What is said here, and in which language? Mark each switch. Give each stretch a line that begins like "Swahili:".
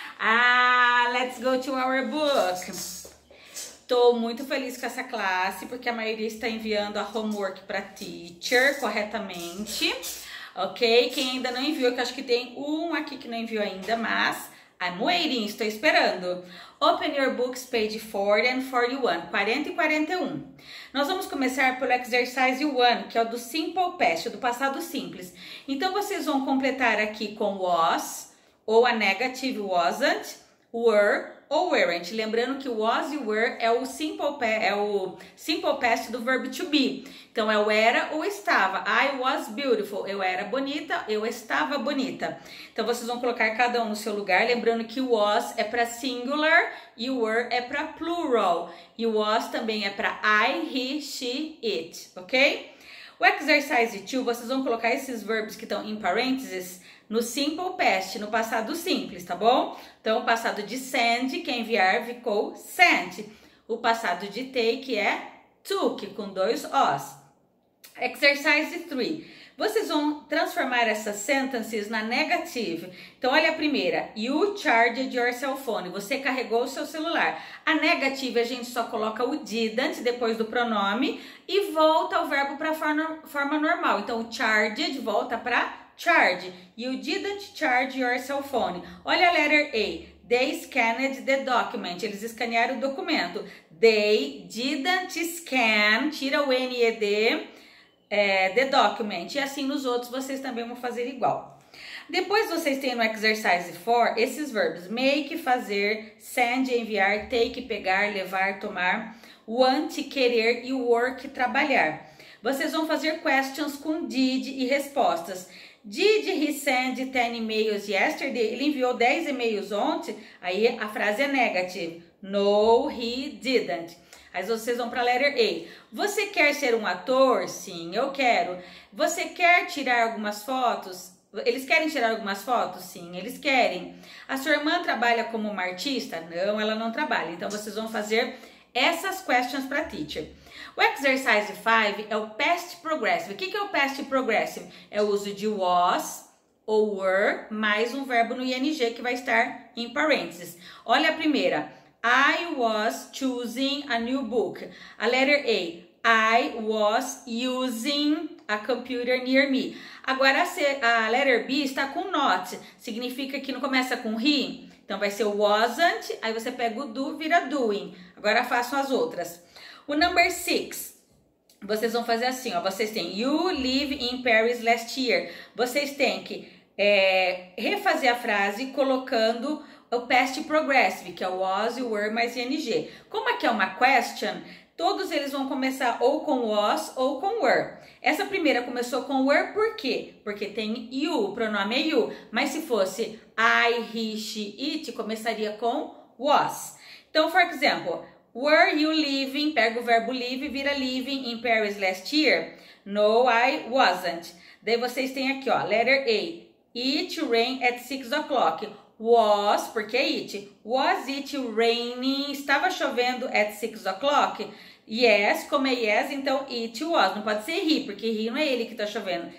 Portuguese: Ah,
English: let's go to our book.
Portuguese: Estou muito feliz com essa classe, porque a maioria está enviando a homework para teacher corretamente, ok? Quem ainda não enviou, que eu acho que tem um aqui que não enviou ainda, mas
English: I'm waiting,
Portuguese: estou esperando.
English: Open your books, page 40 and 41.
Portuguese: 40 e 41. Nós vamos começar pelo exercise 1, que é o do simple past, do passado simples. Então, vocês vão completar aqui com was, ou a negative wasn't, were ou weren't. Lembrando que o was e were é o simple past do verbo to be. Então, é o era ou estava.
English: I was beautiful.
Portuguese: Eu era bonita, eu estava bonita. Então, vocês vão colocar cada um no seu lugar. Lembrando que o was é para singular e o were é para plural. E o was também é para I, he, she, it. Ok? O exercise 2, vocês vão colocar esses verbos que estão em parênteses no simple past, no passado simples, tá bom? Então, o passado de send, que é enviar, ficou sent. O passado de take é took, com dois Os. Exercise 3. Vocês vão transformar essas sentences na negativa. Então, olha a primeira.
English: You charged your cell phone.
Portuguese: Você carregou o seu celular. A negativa, a gente só coloca o didn't depois do pronome e volta o verbo para a forma normal. Então, o charged volta para charge.
English: You didn't charge your cell phone.
Portuguese: Olha a letter A.
English: They scanned the document.
Portuguese: Eles escanearam o documento.
English: They didn't scan.
Portuguese: Tira o N e D.
English: The document.
Portuguese: E assim nos outros vocês também vão fazer igual. Depois vocês têm no exercise 4 esses verbos: make, fazer, send, enviar, take, pegar, levar, tomar, want, querer e work, trabalhar. Vocês vão fazer questions com did e respostas.
English: Did he send 10 emails yesterday?
Portuguese: Ele enviou 10 e-mails ontem? Aí a frase é negative.
English: No, he didn't.
Portuguese: Aí vocês vão para a letter A. Você quer ser um ator? Sim, eu quero. Você quer tirar algumas fotos? Eles querem tirar algumas fotos? Sim, eles querem. A sua irmã trabalha como uma artista? Não, ela não trabalha. Então vocês vão fazer essas questions para a teacher. O exercise 5 é o past progressive. O que é o past progressive? É o uso de was ou were mais um verbo no ing que vai estar em parênteses. Olha a primeira.
English: I was choosing a new book. A letter A. I was using a computer near me.
Portuguese: Agora a letter B está com not. Significa que não começa com he. Então vai ser wasn't. Aí você pega o do, vira doing. Agora façam as outras. O number 6. Vocês vão fazer assim, ó. Vocês têm
English: you live in Paris last year.
Portuguese: Vocês têm que refazer a frase colocando o past progressive, que é o was, o were mais ing. Como aqui é uma question, todos eles vão começar ou com was ou com were. Essa primeira começou com were por quê? Porque tem you, o pronome é you. Mas se fosse I, he, she, it, começaria com was.
English: Então, for example, were you living,
Portuguese: pega o verbo
English: live, vira living in Paris last year? No, I wasn't.
Portuguese: Daí vocês têm aqui, ó, letter A.
English: It rained at 6 o'clock. Was, porque é it. Was it raining?
Portuguese: Estava chovendo
English: at 6 o'clock?
Portuguese: Yes, como é yes, então it was. Não pode ser he, porque he não é ele que está chovendo.